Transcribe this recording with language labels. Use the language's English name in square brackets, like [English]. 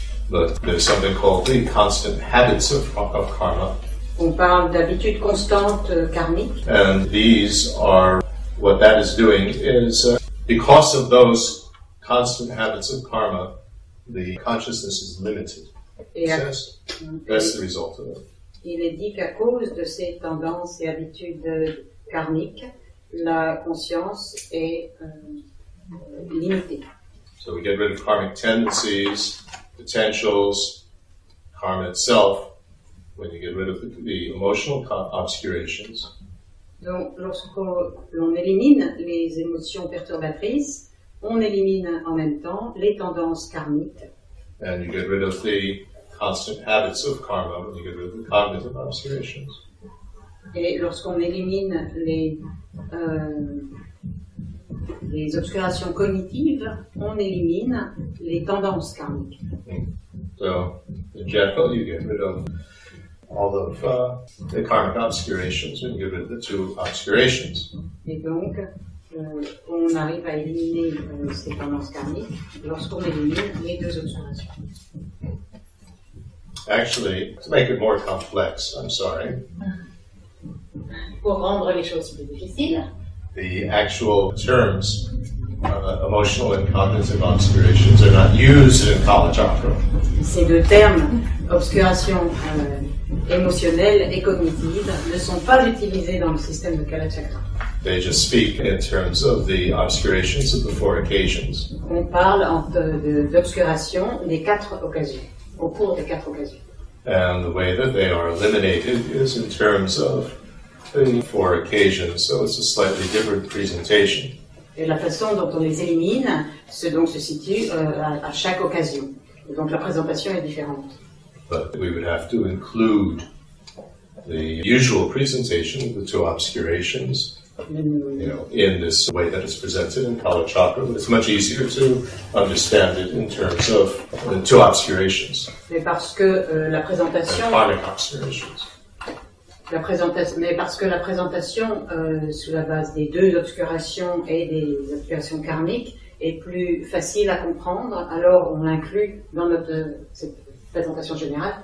[English] But there's something called the constant habits of karma. [French] On parle d'habitudes constantes karmiques. [English] And these are what that is doing is because of those constant habits of karma, the consciousness is limited. That's the result of it. [French] Il est dit qu'à cause de ces tendances et habitudes karmiques, la conscience est limitée. [English] So we get rid of karmic tendencies, potentials, karma itself, when you get rid of the emotional obscurations. [French] Donc, lorsque l'on élimine les émotions perturbatrices, on élimine en même temps les tendances karmiques. [English] And you get rid of the constant habits of karma when you get rid of the cognitive obscurations. [French] Et lorsqu'on élimine les obscurations cognitives, on élimine les tendances karmiques. [English] So, in general, you get rid of all of the karmic obscurations and get rid of the two obscurations. [French] Et donc, on arrive à éliminer ces tendances karmiques lorsqu'on élimine les deux obscurations. [English] Actually, to make it more complex, I'm sorry. [French] Pour rendre les choses plus difficiles. [English] The actual terms, emotional and cognitive obscurations, are not used in Kalachakra. [French] Ces deux termes, obscurations émotionnelles et cognitives, ne sont pas utilisés dans le système de Kalachakra. [English] They just speak in terms of the obscurations of the four occasions. [French] On parle d'obscuration des quatre occasions. Au cours des quatre occasions. [English] And the way that they are eliminated is in terms of the four occasions, so it's a slightly different presentation. [French] Et la façon dont on les élimine se donc se situe à chaque occasion. Et donc la présentation est différente. [English] But we would have to include the usual presentation of the two obscurations, in this way that it's presented in Kalachakra, but it's much easier to understand it in terms of the two obscurations. [French] Mais parce que la présentation. [English] The karmic obscurations. [French] Mais parce que la présentation sous la base des deux obscurations et des obscurations karmiques est plus facile à comprendre, alors on l'inclut dans notre cette présentation générale.